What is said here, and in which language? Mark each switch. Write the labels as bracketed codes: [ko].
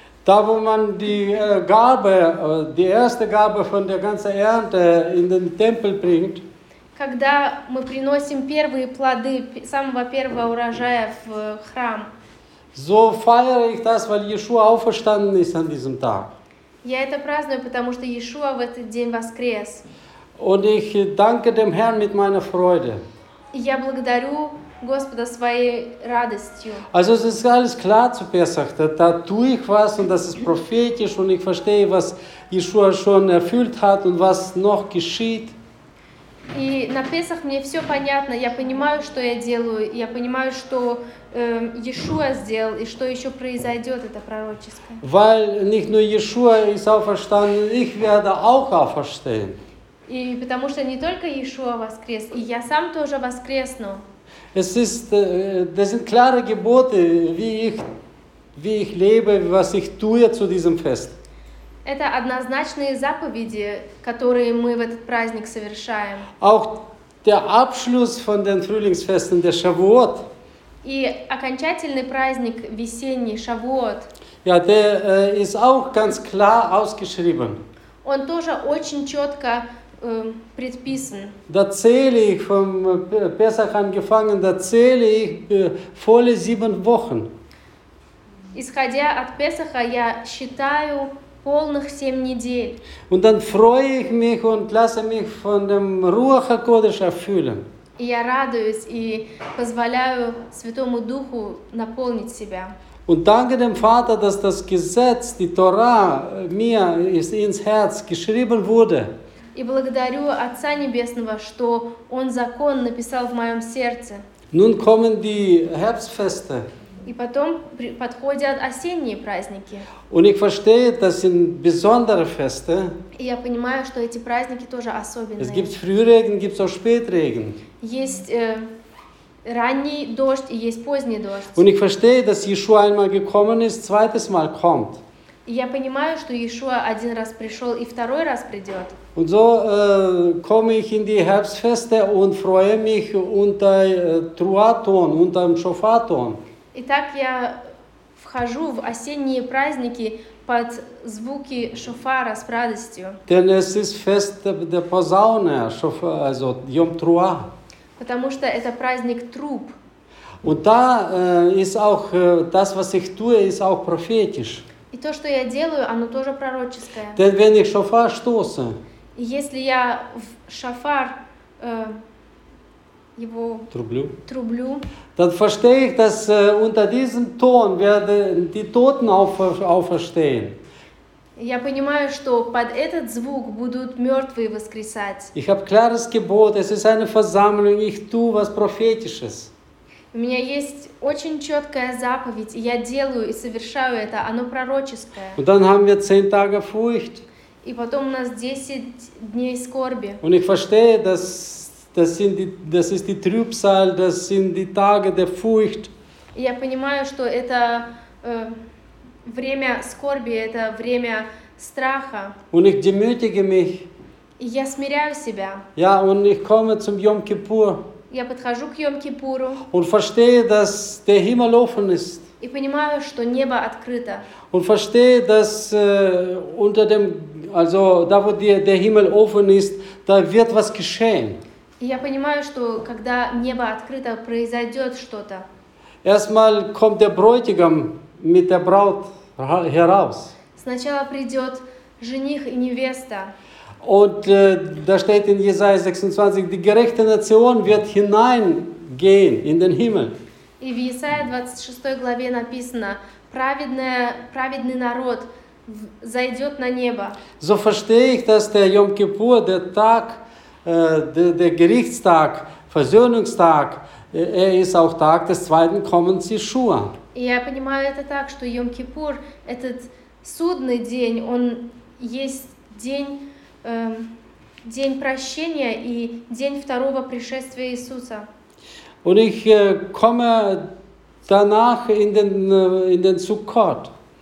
[de] Da, wo man die Gabe, die erste Gabe von der ganzen Ernte in den Tempel bringt. [ru] Когда мы приносим первые плоды самого первого урожая в храм. [de] So feiere ich das, weil Yeshua auferstanden ist an diesem Tag. [ru] Я это праздную, потому что Yeshua в этот день воскрес. [de] Und ich danke dem Herrn mit meiner Freude. [ru] Я благодарю Господа своей радостью. [de] Also es ist alles klar zu Pesach, da tue ich was und das ist prophetisch und ich verstehe, was Yeshua schon erfüllt hat und was noch geschieht. [ru] И на Песах мне все понятно, я понимаю, что я делаю, я понимаю, что Yeshua сделал и что еще произойдет, это пророческое. [de] Weil nicht nur Yeshua ist auferstanden, ich werde auch auferstehen. [ru] И потому что не только Yeshua воскрес, и я сам тоже воскресну. [de] Es ist, das sind klare Gebote, wie ich lebe, was ich tue zu diesem Fest. [ru] Это однозначные заповеди, которые мы в этот праздник совершаем. [de] Auch der Abschluss von den Frühlingsfesten, der Shavuot. [ru] И окончательный праздник весенний, Шавуот. [de] Ja, der ist auch ganz klar ausgeschrieben. [ru] Он тоже очень четко предписан. [de] Da zähle ich vom Pesach angefangen, da zähle ich volle 7 Wochen. [ru] Исходя от Песаха, я считаю полных 7 недель. [de] Und dann freue ich mich und lasse mich von dem Ruach HaKodesh erfüllen. [ru] Я радуюсь и позволяю Святому Духу наполнить себя. [de] Und danke dem Vater, dass das Gesetz, die Torah mir ins Herz geschrieben wurde. [ru] И благодарю Отца Небесного, что Он закон написал в моем сердце. [de] Nun kommen die Herbstfeste. [ru] И потом подходят осенние праздники. [de] Und ich verstehe, das sind besondere Feste. [ru] И я понимаю, что эти праздники тоже особенные. [de] Es gibt Frühregen, gibt's auch Spätregen. [ru] Есть ранний дождь и есть поздний дождь. [de] Und ich verstehe, dass Yeshua einmal gekommen ist, zweites Mal kommt. [ru] Я понимаю, что Yeshua один раз пришел и второй раз придет. [de] Und so komme ich in die Herbstfeste und freue mich unter Truaton, unter dem Shofaton. [ru] Итак, я вхожу в осенние праздники под звуки шофара с радостью. [de] Denn es ist Fest der Posaune, also Yom Trua. [ru] Потому что это праздник труб. [de] Und da ist auch das, was ich tue, ist auch prophetisch. [ru] И то, что я делаю, оно тоже пророческое. [de] Denn wenn ich Shofar stoße. [ru] Если я в Шофар его трублю, [de] dann verstehe ich, dass unter diesem Ton werden die Toten auferstehen. [ru] Я понимаю, что под этот звук будут мертвые воскресать. [de] Ich habe klares Gebot, es ist eine Versammlung, ich tue was Prophetisches. [ru] У меня есть очень четкая заповедь, и я делаю и совершаю это, оно пророческое. [de] Und dann haben wir 10 Tage Furcht. [ru] И потом у нас 10 дней скорби. [de] Und ich verstehe, das ist die Trübsal, das sind die Tage der Furcht. [ru] Я понимаю, что это время скорби, это время страха. [de] Und ich demütige mich. [ru] И я смиряю себя. [de] Ja, und ich komme zum Yom Kippur. [ru] Я подхожу к Йом-Кипуру. [de] Und verstehe, dass der Himmel offen ist. [ru] И понимаю, что небо открыто. [de] Und verstehe, dass unter dem, also da, wo der Himmel offen ist, da wird was geschehen. [ru] И я понимаю, что когда небо открыто, произойдет что-то. [de] Erstmal kommt der Bräutigam mit der Braut heraus. [ru] Сначала придет жених и невеста. [de] Und da steht in Jesaja 26, die gerechte Nation wird hineingehen in den Himmel. [ru] И в Jesaja 26 главе написано, праведный народ зайдет на небо. [de] So verstehe ich, dass der Yom Kippur, der Tag, der Gerichtstag, Versöhnungstag, ist auch Tag des zweiten Kommens Yeshua. [ru] Я понимаю это так, что Йом-Кипур, этот судный день, он есть день день прощения и день второго пришествия Иисуса. [de] Und ich komme danach in den Sukkot.